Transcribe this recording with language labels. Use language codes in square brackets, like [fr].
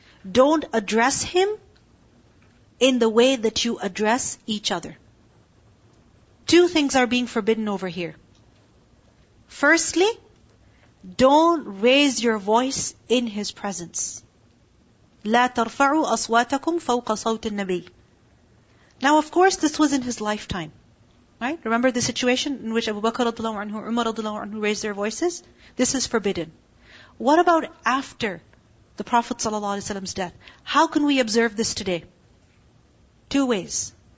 [en] Don't address him in the way that you address each other. Two things are being forbidden over here. Firstly, don't raise your voice in his presence. [ar] لا ترفعوا أصواتكم فوق صوت النبي. [en] Now of course this was in his lifetime. Right? Remember the situation in which Abu Bakr radiallahu anhu, Umar radiallahu anhu raised their voices? This is forbidden. What about after the Prophet sallallahu alaihi wasallam's death? How can we observe this today? Two ways.